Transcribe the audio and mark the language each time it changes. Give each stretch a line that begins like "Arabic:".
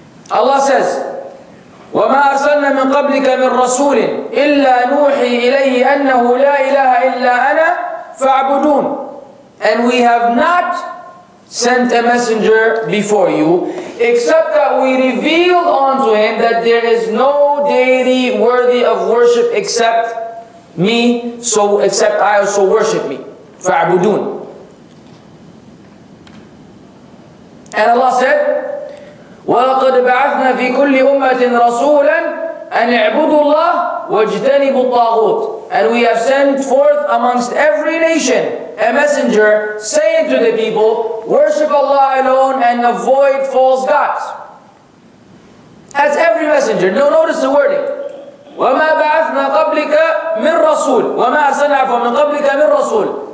English: Allah says,
Arabic: وَمَا أَرْسَلْنَا مِنْ قَبْلِكَ مِنْ رَسُولٍ إِلَّا نُوحِي إِلَيْهِ أَنَّهُ لَا إِلَهَ إِلَّا أَنَا فَاعْبُدُونَ.
English: And we have not sent a messenger before you, except that we revealed unto him that there is no deity worthy of worship except me, so except I, so worship me.
Arabic: فَاعْبُدُونَ.
English: And Allah said,
Arabic: وَلَقَدْ بَعَثْنَا فِي كُلِّ أُمَّةٍ رَسُولًا أَنْ اعْبُدُوا اللَّهَ وَاجْتَنِبُوا الطَّاغُوتِ.
English: And we have sent forth amongst every nation a messenger saying to the people, worship Allah alone and avoid false gods. As every messenger. Now notice the wording.
Arabic: وَمَا بَعَثْنَا قَبْلِكَ مِنْ رَسُولٍ وَمَا أَرْسَلْنَا مِنْ قَبْلِكَ مِنْ رَسُولٍ.